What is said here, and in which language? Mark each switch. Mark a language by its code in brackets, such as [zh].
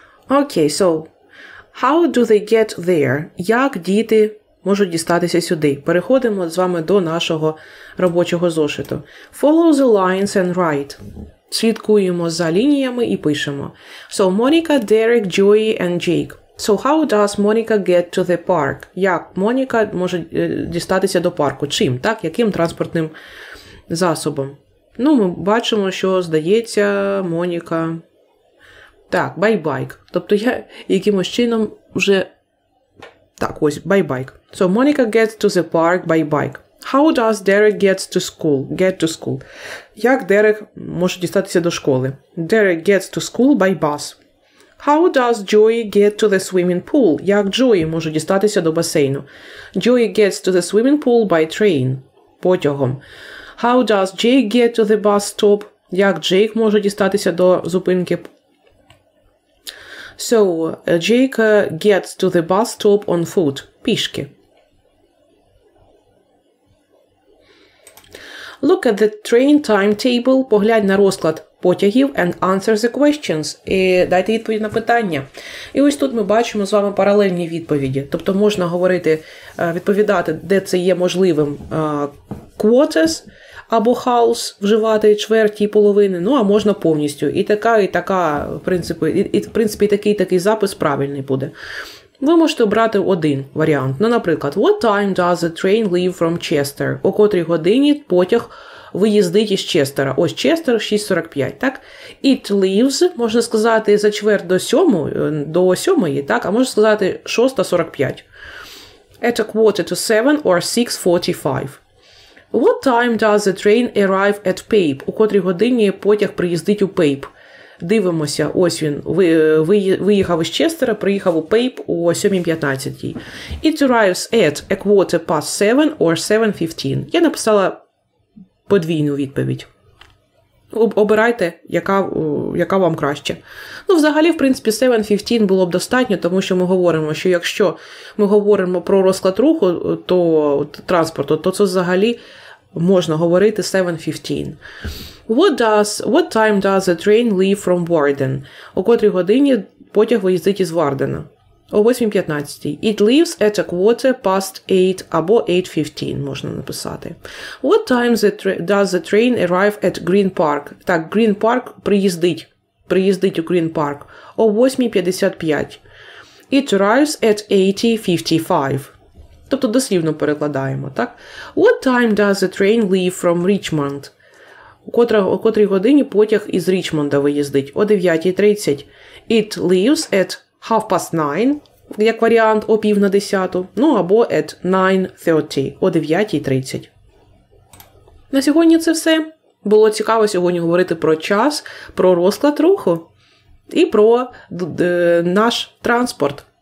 [en] Okay, so, how do they get there? [uk] Як діти можуть дістатися сюди? Переходимо з вами до нашого робочого зошиту. [en] Follow the lines and write. [uk] Слідкуємо за лініями і пишемо. [en] So, Monica, Derek, Joey and Jake. So, how does Monica get to the park? [uk] Як Моніка може дістатися до парку? Чим? Так? Яким транспортним засобом? Ну, ми бачимо, що, здається, Моніка... Так, [en] by bike. [uk] Тобто, я якимось чином вже... Так, ось, [en] by bike. So, Monica gets to the park by bike. How does Derek get to school? Get to school. [uk] Як Дерек може дістатися до школи? [en] Derek gets to school by bus. How does Joey get to the swimming pool? [uk] Як Joey може дістатися до басейну? [en] Joey gets to the swimming pool by train. [uk] Потягом. [en] How does Jake get to the bus stop? [uk] Як Jake може дістатися до зупинки? [en] So, Jake gets to the bus stop on foot. [uk] Пішки. [en] Look at the train timetable. [uk] Поглянь на розклад потягів [en] and answer the questions. [uk] І дайте відповідь на питання. І ось тут ми бачимо з вами паралельні відповіді. Тобто можна говорити, відповідати, де це є можливим quarters, або house вживати чверті половини, ну а можна повністю. І така, в принципі, такий запис правильний буде. Ви можете обрати один варіант. Ну, наприклад, [en] what time does the train leave from Chester? [uk] О котрій годині потяг виїздить із Честера. Ось Честер 6:45, так? [en] It leaves, [uk] можна сказати, за чверть до сьомої, так? А можна сказати 6:45. [en] At a quarter to seven or 6:45. What time does the train arrive at Pape? [uk] У котрій годині потяг приїздить у Пейп? Дивимося, ось він виїхав із Честера, приїхав у Пейп о 7:15. [en] It arrives at a quarter past seven or 7:15. [uk] Я написала подвійну відповідь. Обирайте, яка вам краще. Ну, взагалі, в принципі, 7:15 було б достатньо, тому що ми говоримо, що якщо ми говоримо про розклад руху, то транспорту, то це взагалі можна говорити 7:15. [en] What time does the train leave from Warden? [uk] О котрій годині потяг виїздить із Вардена? О 8:15. [en] It leaves at a quarter past 8 [uk] або 8:15 можна написати. [en] What time does the train arrive at Green Park? [uk] Так, Green Park приїздить у Green Park. О 8:55. [en] It arrives at 8:55. [uk] Тобто дослівно перекладаємо, так? [en] What time does the train leave from Richmond? [uk] О котрій годині потяг із Річмонда виїздить? О 9:30. [en] It leaves at 9:30. [uk] Як варіант, о пів на десяту, ну або [en] at 9:30, [uk] о 9:30. На сьогодні це все. Було цікаво сьогодні говорити про час, про розклад руху і про наш транспорт.